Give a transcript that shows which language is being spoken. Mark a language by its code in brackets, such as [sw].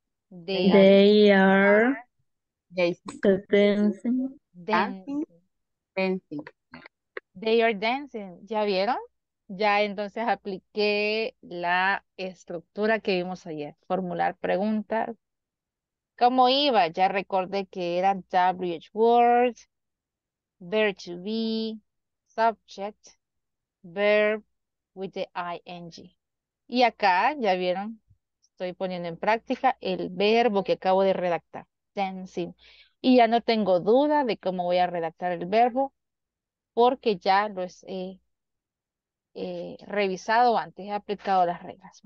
[en] They are dancing. Dancing. They are dancing. [es] ¿Ya vieron? Ya entonces apliqué la estructura que vimos ayer. Formular preguntas. ¿Cómo iba? Ya recordé que eran [en] WH words, verb to be, subject, verb with the ing. [es] Y acá, ya vieron, estoy poniendo en práctica el verbo que acabo de redactar, dancing. Y ya no tengo duda de cómo voy a redactar el verbo, porque ya lo he revisado antes, he aplicado las reglas.